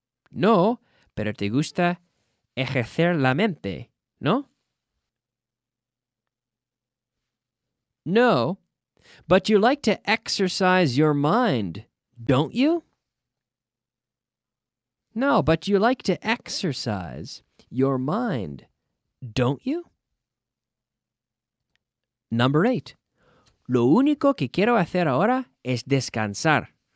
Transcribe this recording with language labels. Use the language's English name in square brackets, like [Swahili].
[Spanish] No, pero te gusta ejercer la mente, ¿no? [English] No, but you like to exercise your mind, don't you? No, but you like to exercise your mind, don't you? Number 8. [Spanish] Lo único que quiero hacer ahora es descansar.